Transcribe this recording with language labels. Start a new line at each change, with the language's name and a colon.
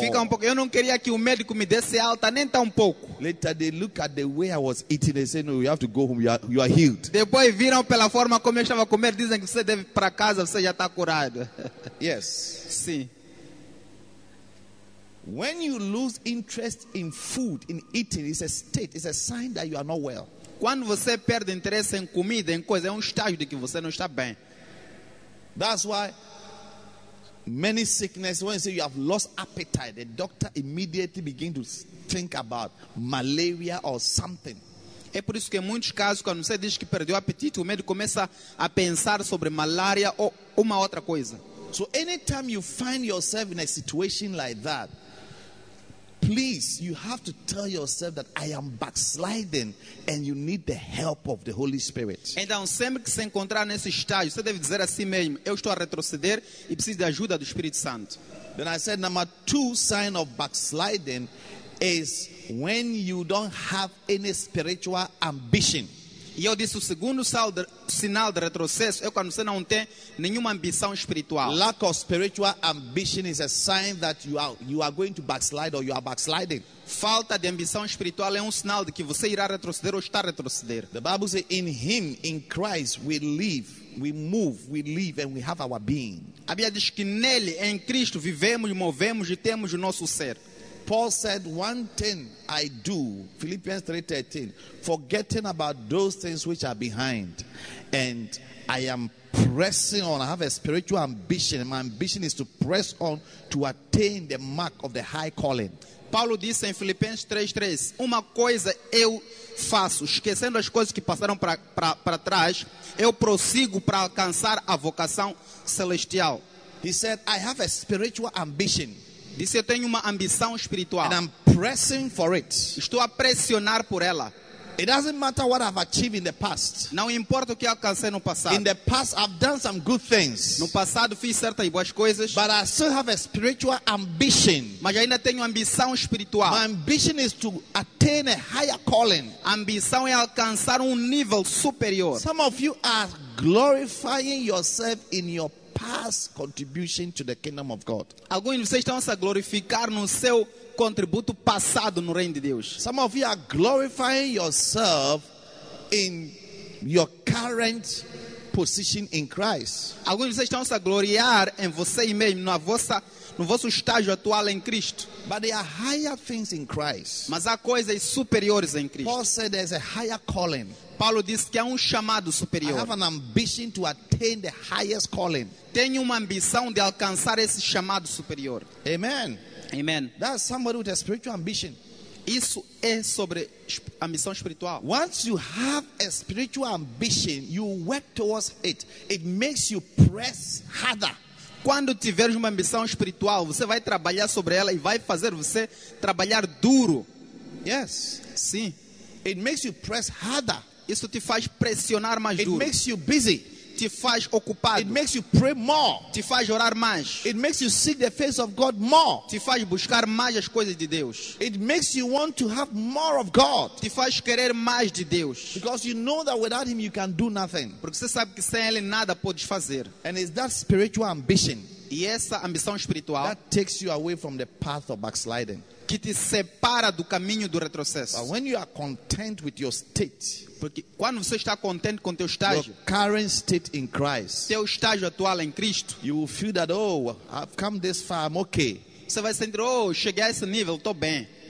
Portuguese: Fica pouco, eu não queria que o médico me desse alta, nem tão pouco.
English: Later they look at the way I was eating, they say, no, you have to go home, you are healed.
Portuguese: Depois viram pela forma como eu estava a comer, dizem que você deve ir para casa, você já está curado.
English: Yes.
Portuguese: Sim.
English: When you lose interest in food, in eating, it's a state, it's a sign that you are not well.
Portuguese: Quando você perde interesse em comida, em coisa, é estágio de que você não está bem.
English: That's why many sicknesses, when you say you have lost appetite, the doctor immediately begins to think about malaria or something.
Portuguese: É por isso que em muitos casos, quando você diz que perdeu o apetite, o médico começa a pensar sobre malária ou uma outra coisa.
English: So anytime you find yourself in a situation like that, please, you have to tell yourself that I am backsliding and you need the help of the Holy Spirit.
Portuguese: Então, sempre que se encontrar nesse estágio, você deve dizer a si mesmo, eu estou a retroceder e preciso da ajuda do Espírito Santo.
English: Then I said, number two sign of backsliding is when you don't have any spiritual ambition.
Portuguese: E eu disse, o segundo sinal de retrocesso é quando você não tem nenhuma ambição espiritual.
English: Lack of spiritual ambition is a sign that you are going to backslide or you are backsliding.
Portuguese: Falta de ambição espiritual é sinal de que você irá retroceder ou está a retroceder.
English: The Bible says, in him, in Christ, we live, we move, we live, and we have our being.
Portuguese: A Bíblia diz que nele, em Cristo, vivemos, movemos e temos o nosso ser.
English: Paul said, one thing I do, Philippians 3:13, forgetting about those things which are behind, and I am pressing on. I have a spiritual ambition, and my ambition is to press on to attain the mark of the high calling.
Portuguese: Paulo disse em Filipenses 3:3, uma coisa eu faço, esquecendo as coisas que passaram para trás, eu prossigo para alcançar a vocação celestial.
English: He said, I have a spiritual ambition.
Portuguese: Disse, eu tenho uma ambição espiritual.
English: And I'm pressing for it.
Portuguese: Estou a pressionar por ela.
English: It doesn't matter what I've achieved in the past.
Portuguese: Não importa o que alcancei no passado.
English: In the past, I've done some good things.
Portuguese: No passado fiz certas boas coisas.
English: But I still have a spiritual ambition.
Portuguese: Mas ainda tenho ambição espiritual.
English: My ambition is to attain a higher calling.
Portuguese: Ambição é alcançar nível superior.
English: Some of you are glorifying yourself in your past contribution to the kingdom of God.
Portuguese: Alguns de vocês estão a glorificar no seu contributo passado no reino de Deus.
English: Some of you are glorifying yourself in your current position in Christ.
Portuguese: Alguns de vocês estão a gloriar em você mesmo, no vosso estágio atual em Cristo.
English: But there are higher things in Christ.
Portuguese: Mas há coisas superiores em Cristo.
English: Paul said there's a higher calling.
Portuguese: Paulo disse que é chamado superior.
English: I have an ambition to attain the highest calling.
Portuguese: Tenho ambição de alcançar esse chamado superior.
English: Amen.
Portuguese: Amen.
English: That's somebody with a spiritual ambition.
Portuguese: Isso é sobre ambição espiritual.
English: Once you have a spiritual ambition, you work towards it. It makes you press harder.
Portuguese: Quando tiveres uma ambição espiritual, você vai trabalhar sobre ela e vai fazer você trabalhar duro.
English: Yes.
Portuguese: Sim.
English: It makes you press harder.
Portuguese: Isso te faz pressionar mais
English: it
Portuguese: duro.
English: It makes you busy.
Portuguese: Te faz ocupado.
English: It makes you pray more.
Portuguese: Te faz orar mais.
English: It makes you seek the face of God more.
Portuguese: Te faz buscar mais as coisas de Deus.
English: It makes you want to have more of God.
Portuguese: Te faz querer mais de Deus.
English: Because you know that without him you can do nothing.
Portuguese: Porque você sabe que sem ele nada podes fazer.
English: And it's that spiritual ambition.
Portuguese: E essa ambição espiritual.
English: That takes you away from the path of backsliding.
Portuguese: Que te separa do caminho do retrocesso.
English: But when you are content with your state,
Portuguese: porque quando você está contente com teu estágio,
English: your current state in Christ,
Portuguese: teu estágio atual em Cristo,
English: you will feel that, oh, I've come this far, I'm okay.
Portuguese: Você vai sentir, oh, cheguei a esse nível, estou bem.